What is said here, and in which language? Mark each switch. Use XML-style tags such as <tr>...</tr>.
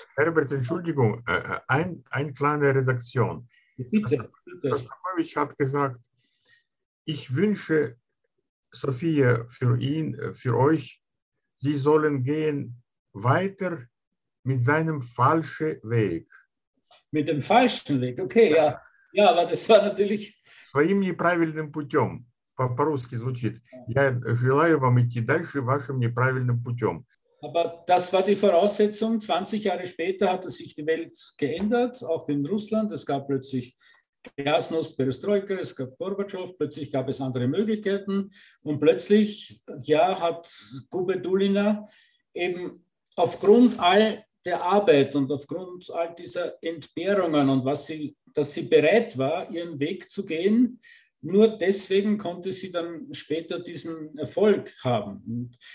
<de>Herbert, Entschuldigung, ein kleine Redaktion. Bitte. Schostakowitsch hat gesagt, ich wünsche Sophia für euch, sie sollen gehen weiter mit seinem falschen Weg. Mit dem falschen Weg, okay, ja. Ja, aber das war natürlich...</de> <ru>Своим неправильным путем, по-русски звучит. Я желаю вам идти дальше вашим неправильным путем.</ru> <de>Aber das war die Voraussetzung. 20 Jahre später hatte sich die Welt geändert, auch in Russland. Es gab plötzlich Glasnost, Perestroika, es gab Gorbatschow, plötzlich gab es andere Möglichkeiten. Und plötzlich, ja, hat Kube Dulina eben aufgrund all der Arbeit und aufgrund all dieser Entbehrungen und was sie, dass sie bereit war, ihren Weg zu gehen, nur deswegen konnte sie dann später diesen Erfolg haben.</de>